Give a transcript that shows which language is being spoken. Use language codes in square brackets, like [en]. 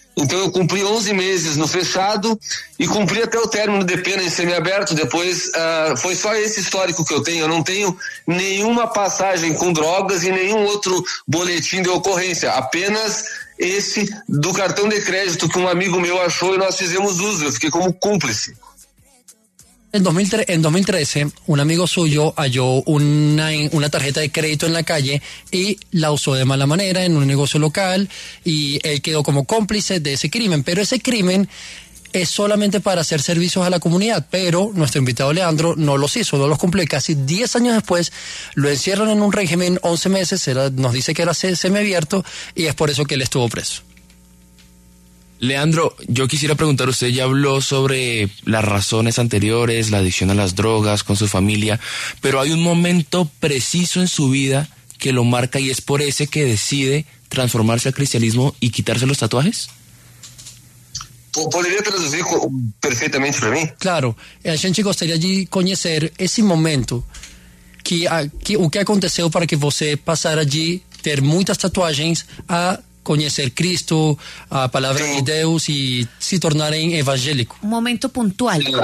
[pt] Então eu cumpri 11 meses no fechado e cumpri até o término de pena em semiaberto. Depois foi só esse histórico que eu tenho. Eu não tenho nenhuma passagem com drogas e nenhum outro boletim de ocorrência. Apenas esse do cartão de crédito que um amigo meu achou e nós fizemos uso. Eu fiquei como cúmplice. [es] En 2013, un amigo suyo halló una tarjeta de crédito en la calle y la usó de mala manera en un negocio local y él quedó como cómplice de ese crimen. Pero ese crimen es solamente para hacer servicios a la comunidad, pero nuestro invitado Leandro no los hizo, no los cumplió. Casi 10 años después lo encierran en un régimen, 11 meses, nos dice que era semiabierto y es por eso que él estuvo preso. Leandro, yo quisiera preguntar, usted ya habló sobre las razones anteriores, la adicción a las drogas, con su familia, pero hay un momento preciso en su vida que lo marca y es por ese que decide transformarse al cristianismo y quitarse los tatuajes. ¿Podría traducir perfectamente para mí? [pt] Claro, a gente gostaria de [es] conocer ese momento que [pt] o que aconteceu para que você passara de ter muitas tatuagens a conhecer Cristo, a palavra de Deus e se tornarem evangélico. Um momento pontual.